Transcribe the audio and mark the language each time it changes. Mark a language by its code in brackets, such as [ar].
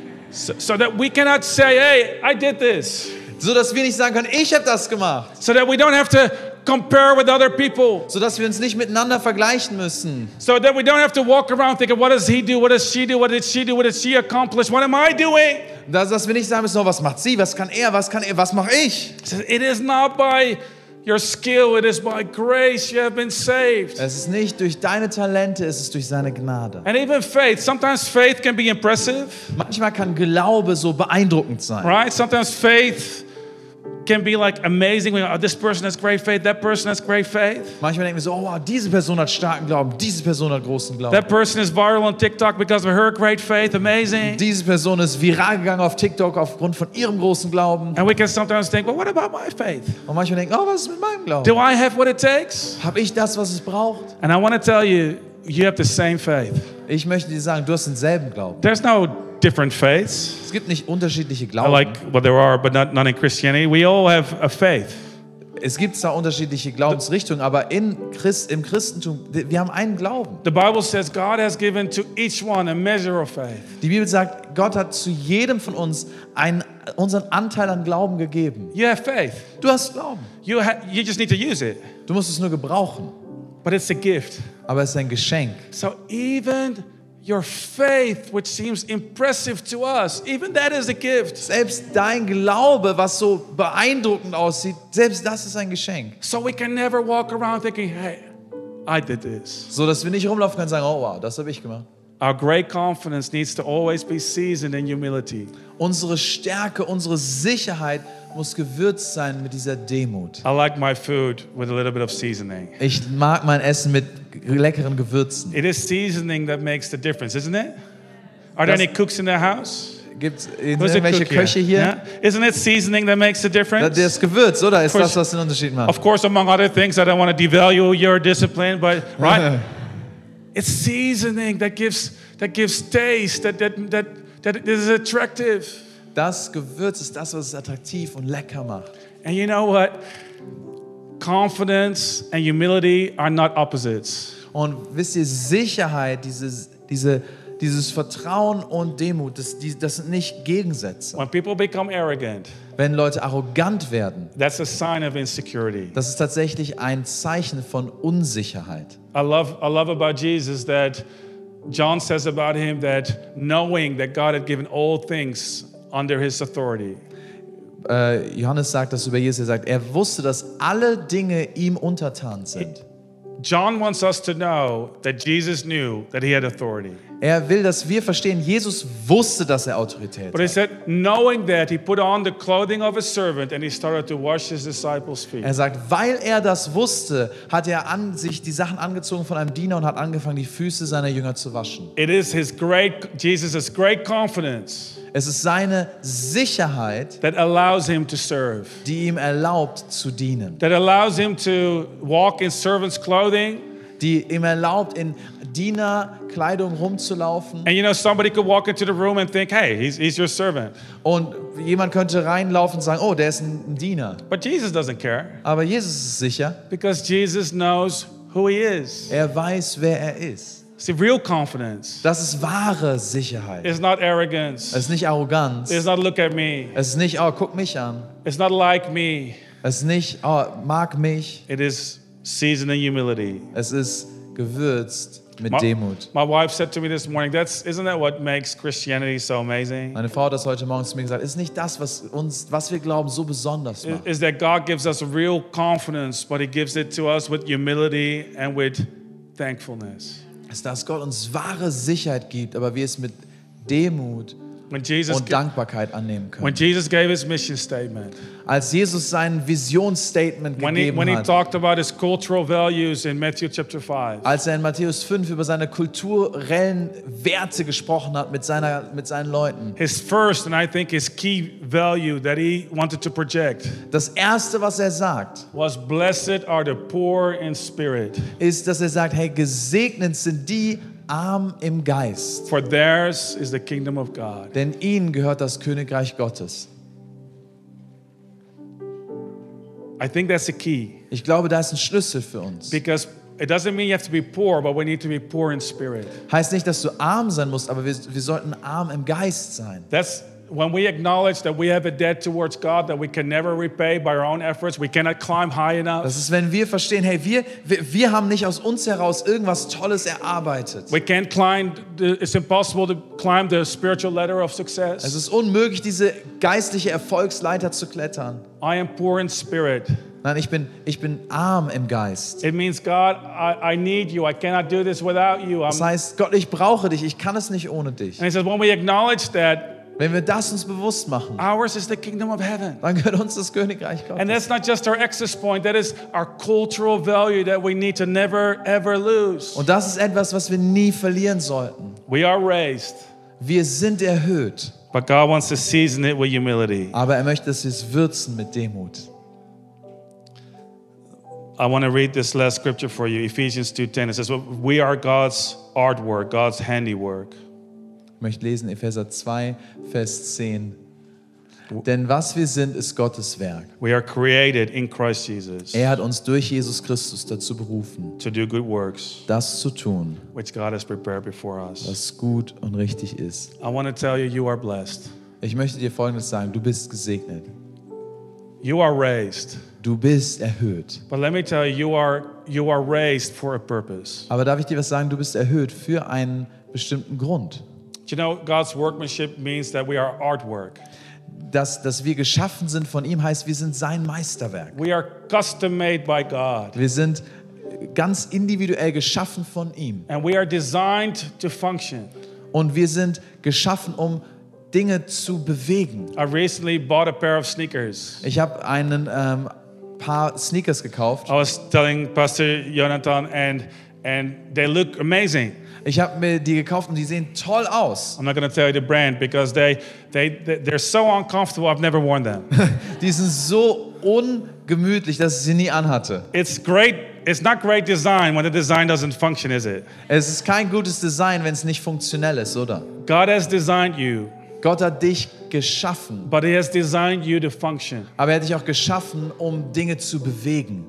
[en] So that we cannot say, hey, I did this. [de] So dass wir nicht sagen können, ich habe das gemacht. [en] So that we don't have to compare with other people, [de] so dass wir uns nicht miteinander vergleichen müssen. [en] So that we don't have to walk around thinking, what does he do? What does she do? What did she do? What did she accomplish? What am I doing? [de] Dass wir nicht sagen müssen, was macht sie? Was kann er? Was kann er? Was mache ich? [en] It is not by your skill, it is by grace you have been saved. [de] Es ist nicht durch deine Talente, es ist durch seine Gnade. [en] And even faith, sometimes faith can be impressive. [de] Manchmal kann Glaube so beeindruckend sein. [en] Right? Sometimes faith can be like amazing. We go, oh, this person has great faith. That person has great faith. [de] Manchmal denken wir so, oh wow, diese Person hat starken Glauben. Diese Person hat großen Glauben. [en] That person is viral on TikTok because of her great faith. Amazing. [de] Diese Person ist viral gegangen auf TikTok aufgrund von ihrem großen Glauben. [en] And we can sometimes think, well, what about my faith? [de] Und manchmal denken, oh, was ist mit meinem Glauben? [en] Do I have what it takes? [de] Hab ich das, was es braucht? [en] And I want to tell you, you have the same faith. [de] Ich möchte dir sagen, du hast denselben Glauben. [en] There's no different faiths. [de] Es gibt nicht unterschiedliche Glauben. [en] Like, well, there are, but not in Christianity. We all have a faith. [de] Es gibt zwar unterschiedliche Glaubensrichtungen, aber im Christentum, wir haben einen Glauben. [en] The Bible says God has given to each one a measure of faith. [de] Die Bibel sagt, Gott hat zu jedem von uns unseren Anteil an Glauben gegeben. [en] You have faith. [de] Du hast Glauben. [en] You just need to use it. [de] Du musst es nur gebrauchen. [en] But it's a gift. [de] Aber es ist ein Geschenk. [en] So even your faith, which seems impressive to us, even that is a gift. [de] Selbst dein Glaube, was so beeindruckend aussieht, selbst das ist ein Geschenk. [en] So we can never walk around thinking, hey, I did this. [de] So dass wir nicht rumlaufen können und sagen, oh wow, das habe ich gemacht. [en] Our great confidence needs to always be seasoned in humility. [de] Unsere Stärke, unsere Sicherheit muss gewürzt sein mit dieser Demut. [en] I like my food with a little bit of seasoning. [de] Ich mag mein Essen mit leckeren Gewürzen. [en] It is seasoning that makes the difference, isn't it? Are there any cooks in the house? [de] Gibt's irgendwelche Köche hier? Yeah. [en] Isn't it seasoning that makes the difference? [de] Das Gewürz, oder? Ist das, was den Unterschied macht? [en] Of course, among other things, I don't want to devalue your discipline, but right? It's seasoning that gives taste, that is attractive. [de] Das Gewürz ist das, was es attraktiv und lecker macht. [en] And you know what? Confidence and humility are not opposites. [de] Und wisst ihr, Sicherheit, dieses Vertrauen und Demut, das sind nicht Gegensätze. [en] When people become arrogant, [de] wenn Leute arrogant werden, [en] that's a sign of insecurity. [de] Das ist tatsächlich ein Zeichen von Unsicherheit. [en] I love about Jesus that John says about him that knowing that God had given all things under his authority. [de] Johannes sagt das über Jesus, er sagt, er wusste, dass alle Dinge ihm untertan sind. [en] John wants us to know that Jesus knew that he had authority. [de] Er will, dass wir verstehen, Jesus wusste, dass er Autorität hat. [en] But he said, knowing that, he put on the clothing of a servant and he started to wash his disciples' feet. [de] Er sagt, weil er das wusste, hat er an sich die Sachen angezogen von einem Diener und hat angefangen, die Füße seiner Jünger zu waschen. [en] It is his great, Jesus' great confidence. [de] Es ist seine Sicherheit, [en] that allows him to serve. [de] Die ihm erlaubt zu dienen. [en] That allows him to walk in servant's clothing. [de] Die ihm erlaubt, in Dienerkleidung rumzulaufen. [en] And you know, somebody could walk into the room and think, hey, he's your servant. [de] Und jemand könnte reinlaufen und sagen, oh, der ist ein Diener. [en] But Jesus doesn't care. [de] Aber Jesus ist sicher. [en] Because Jesus knows who he is. [de] Er weiß, wer er ist. [en] See, real confidence. [de] Das ist wahre Sicherheit. [en] It's not arrogance. [de] Es ist nicht Arroganz. [en] It's not look at me. [de] Es ist nicht, oh, guck mich an. [en] It's not like me. [de] Es ist nicht, oh, mag mich. [en] It is seasoned in humility. [de] Es ist gewürzt mit Demut. [en] My wife said to me this morning, isn't that what makes Christianity so amazing? [de] Meine Frau hat das heute Morgen zu mir gesagt, ist nicht das, was wir glauben, so besonders macht? [en] Is that God gives us real confidence, but he gives it to us with humility and with thankfulness. [de] Ist, dass Gott uns wahre Sicherheit gibt, aber wir es mit Demut und Dankbarkeit annehmen können. [en] When Jesus gave his mission statement, [de] als Jesus sein Visionsstatement gegeben hat, [en] when he talked about his cultural values in Matthew chapter 5, [de] als er in Matthäus 5 über seine kulturellen Werte gesprochen hat mit seinen Leuten, [en] his first and I think his key value that he wanted to project, das erste, was er sagt, was blessed are the poor in spirit, [de] ist, dass er sagt, hey, gesegnet sind die arm im Geist. [en] For theirs is the kingdom of God. [de] Denn ihnen gehört das Königreich Gottes. [en] I think that's the key. [de] Ich glaube, da ist ein Schlüssel für uns. [en] Because it doesn't mean you have to be poor, but we need to be poor in spirit. [de] Heißt nicht, dass du arm sein musst, aber wir sollten arm im Geist sein. [en] That's when we acknowledge that we have a debt towards God that we can never repay by our own efforts, we cannot climb high enough. [de] Das ist, wenn wir verstehen, hey, wir haben nicht aus uns heraus irgendwas Tolles erarbeitet. [en] We can't climb. It's impossible to climb the spiritual ladder of success. [de] Es ist unmöglich, diese geistliche Erfolgsleiter zu klettern. [en] I am poor in spirit. [de] Nein, ich bin arm im Geist. [en] It means, God, I need you. I cannot do this without you. [de] Das heißt, Gott, ich brauche dich. Ich kann es nicht ohne dich. [en] And he says, when we acknowledge that, [de] Wenn wir das uns bewusst machen, [en] ours is the kingdom of heaven. [de] Dann gehört uns das Königreich Gottes. [en] And that's not just our access point, that is our cultural value that we need to never ever lose. [de] Und das ist etwas, was wir nie verlieren sollten. [en] We are raised. [de] Wir sind erhöht. [en] But God wants to season it with humility. [de] Aber er möchte es würzen mit Demut. [en] I want to read this last scripture for you, Ephesians 2:10. It says, we are God's artwork, God's handiwork. [de] Ich möchte lesen, Epheser 2, Vers 10. Denn was wir sind, ist Gottes Werk. [en] We are created in Christ Jesus. [de] Er hat uns durch Jesus Christus dazu berufen, [en] to do good works, [de] das zu tun, [en] which God has prepared before us. [de] Was gut und richtig ist. [en] I want to tell you, you are blessed. [de] Ich möchte dir Folgendes sagen, du bist gesegnet. [en] You are raised. [de] Du bist erhöht. [en] But let me tell you, you are raised for a purpose. [de] Aber darf ich dir was sagen, du bist erhöht für einen bestimmten Grund. [en] Do you know, God's workmanship means that we are artwork. [de] Dass wir geschaffen sind von ihm, heißt, wir sind sein Meisterwerk. [en] We are custom made by God. [de] Wir sind ganz individuell geschaffen von ihm. [en] And we are designed to function. [de] Und wir sind geschaffen, um Dinge zu bewegen. [en] I recently bought a pair of sneakers. [de] Ich habe einen paar Sneakers gekauft. [en] I was telling Pastor Jonathan and they look amazing. [de] Ich habe mir die gekauft und die sehen toll aus. [en] I'm not going to tell you the brand because they're so uncomfortable. I've never worn them. [de] Die sind so ungemütlich, dass ich sie nie anhatte. [en] It's great. It's not great design when the design doesn't function, is it? [de] Es ist kein gutes Design, wenn es nicht funktionell ist, oder? [en] God has designed you. [de] Gott hat dich geschaffen. [en] But he has designed you to function. [de] Aber er hat dich auch geschaffen, um Dinge zu bewegen.